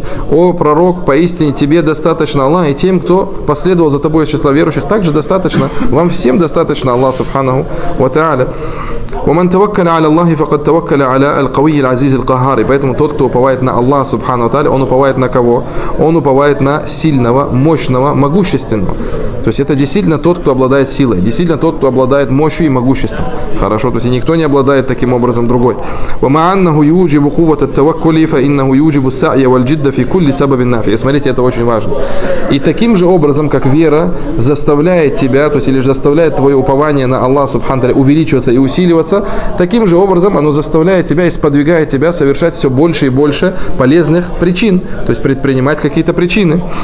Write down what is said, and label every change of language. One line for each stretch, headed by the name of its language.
Russian: О пророк, поистине тебе достаточно Аллах, и тем, кто последовал за тобой из числа верующих, также достаточно, вам всем достаточно Аллах Субханаху ва Тааля.
Arabic: ومن توكل على الله فقد توكل على القوي العزيز القهار.
Russian: Поэтому тот, кто уповает на Аллаха Субхана ва Тааля, он уповает на кого? Он уповает на сильного, мощного, могущественного. То есть это действительно тот, кто обладает силой, действительно тот, кто обладает мощью и могуществом. Хорошо, то есть никто не обладает таким образом другой.
Arabic: وما انه يوجب قوة التوكل فإنه يوجب السعي والجد في كل سبب نافع.
Russian: Смотрите, это очень важно. И таким же образом, как вера заставляет тебя, то есть или же заставляет твое упование на Аллаха Субхана ва Тааля увеличиваться и усиливаться, таким же образом оно заставляет тебя и сподвигает тебя совершать все больше и больше полезных причин, то есть предпринимать какие-то причины.